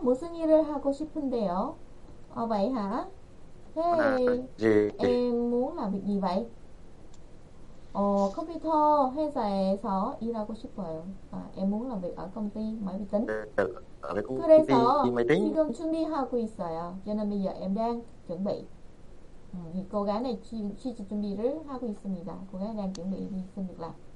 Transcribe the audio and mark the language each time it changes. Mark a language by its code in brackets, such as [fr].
[ko] 무슨 일을 하고 싶은데요? [vi] Ờ vậy hả? Thế em muốn làm việc gì vậy? [ko] Ờ, computer 회사에서 일하고 싶어요. [vi] À, em muốn làm việc ở công ty máy vi tính. [ko] 그래서 지금 준비하고 있어요. [vi] Cho nên bây giờ em đang chuẩn bị. Ừ, thì cô gái này chuẩn bị rất là quý sinh nhật. Cô gái đang chuẩn bị đi xin việc làm.